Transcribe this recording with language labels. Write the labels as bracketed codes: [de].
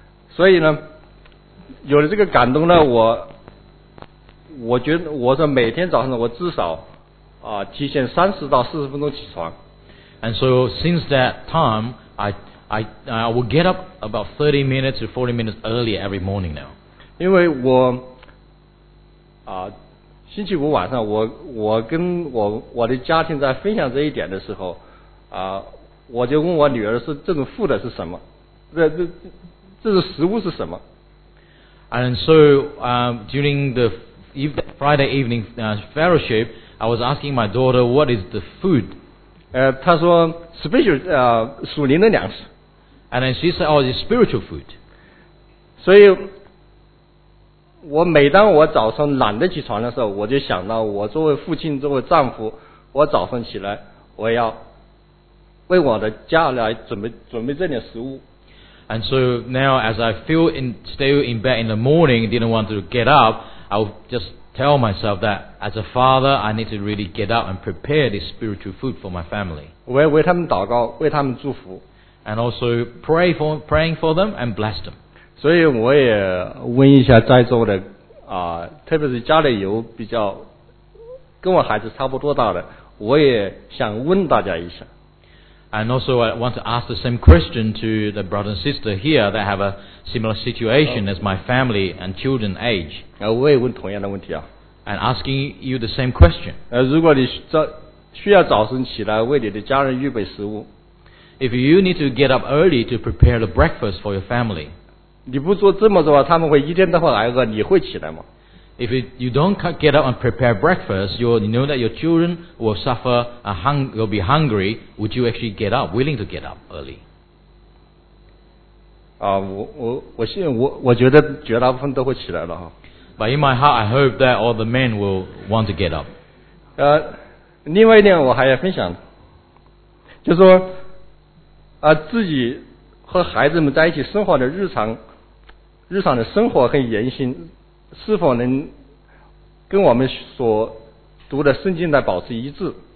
[zh] 所以呢有了这个感动呢我觉得我说每天早上我至少提前30到40分钟起床。 [en] And so since that time, I will get up about 30 minutes to 40 minutes earlier every morning now. [zh] 因为我星期五晚上我跟我的家庭在分享这一点的时候我就问我女儿是这种负的是什么这是食物是什么。 [en] And so during the Friday evening fellowship, I was asking my daughter, what is the food? [zh] 她说 spiritual, 属灵的粮食。 [en] And then she said, oh, it's spiritual food. [zh] 所以我每当我早上懒得起床的时候我就想到我作为父亲作为丈夫我早上起来我要为我的家来准备这点食物。 [en] And so now as I feel still in bed in the morning, didn't want to get up, I'll just tell myself that as a father, I need to really get up and prepare this spiritual food for my family. [zh] 我要为他们祷告，为他们祝福。 [en] And also praying for them and bless them. [zh] 所以我也问一下在座的特别是家里有比较跟我孩子差不多大的，我也想问大家一下。 [en] And also I want to ask the same question to the brother and sister here that have a similar situation as my family and children age. [zh] 我也问同样的问题啊。 [en] And asking you the same question. [zh] 如果你需要早晨起来为你的家人预备食物。 [en] If you need to get up early to prepare the breakfast for your family. [zh] 你不做这么做他们会一天到晚挨饿你会起来吗? [en] If you don't get up and prepare breakfast, you'll, you know that your children will suffer, will be hungry, would you actually get up, willing to get up early? [zh] 我觉得绝大部分都会起来了。 [en] But in my heart, I hope that all the men will want to get up. [zh] 另外一点我还要分享，就是说，自己和孩子们在一起生活的日常的生活和言行是否能跟我们所读的圣经来保持一致。